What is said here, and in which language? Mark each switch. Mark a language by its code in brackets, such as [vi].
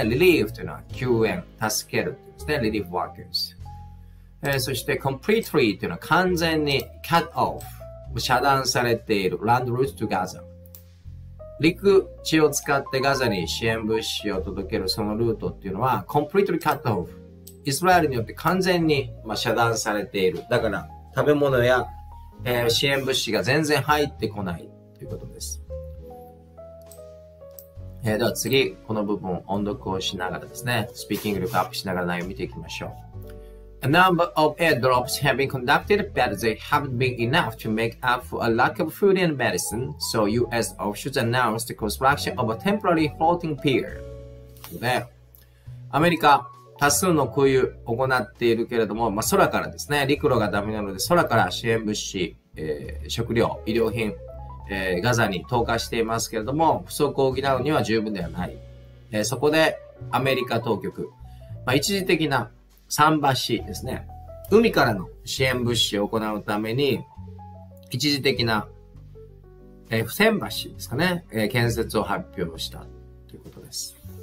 [ja] relief というのは救援、助けるですね。 [en] relief workers、 [ja] そして [en] completely [ja] というのは完全に [en] cut off、 [ja] 遮断されている [en] land route to Gaza、 [ja] 陸地を使ってガザに支援物資を届けるそのルートというのは [en] completely cut off、 [ja] イスラエルによって完全に、まあ、遮断されている。だから食べ物や支援物資が全然入ってこないということです。では次、この部分を音読をしながらですね、スピーキング力アップしながら内容を見ていきましょう。 [en] A number of airdrops have been conducted, but they haven't been enough to make up for a lack of food and medicine, so US officials announced the construction of a temporary floating pier. [ja] で、アメリカ、多数の空輸を行っているけれども、まあ、空からですね、陸路がダメなので、空から支援物資、食料、医療品、ガザに投下していますけれども、不足を補うには十分ではない。そこで、アメリカ当局、まあ、一時的な桟橋ですね、海からの支援物資を行うために、一時的な、普天橋ですかね、建設を発表したということです。